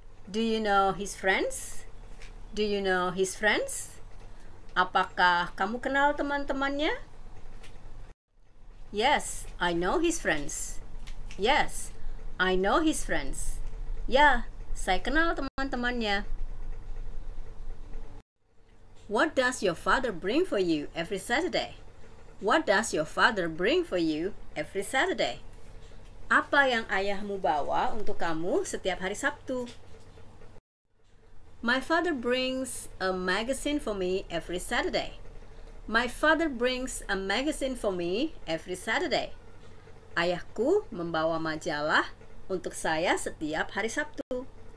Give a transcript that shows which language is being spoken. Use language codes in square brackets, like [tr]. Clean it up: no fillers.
[en] Do you know his friends? Do you know his friends? [id] Apakah kamu kenal teman-temannya? [en] Yes, I know his friends. Yes, I know his friends. [id] Ya, saya kenal teman-temannya. [en] What does your father bring for you every Saturday? What does your father bring for you every Saturday? [id] Apa yang ayahmu bawa untuk kamu setiap hari Sabtu? [en] My father brings a magazine for me every Saturday. My father brings a magazine for me every Saturday. [id] Ayahku membawa majalah untuk saya setiap hari Sabtu.